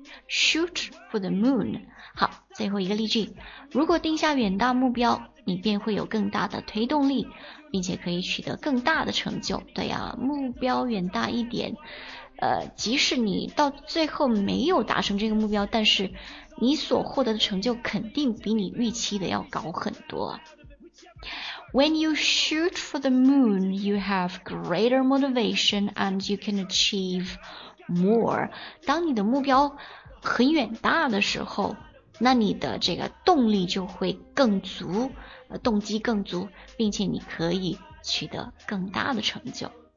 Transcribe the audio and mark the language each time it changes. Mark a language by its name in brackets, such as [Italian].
[English] shoot for the moon [Chinese] 好最后一个例句如果定下远大目标你便会有更大的推动力并且可以取得更大的成就对啊目标远大一点即使你到最后没有达成这个目标但是你所获得的成就肯定比你预期的要高很多 [English] When you shoot for the moon, you have greater motivation and you can achieve more. [Chinese] 当你的目标很远大的时候，那你的这个动力就会更足，动机更足，并且你可以取得更大的成就。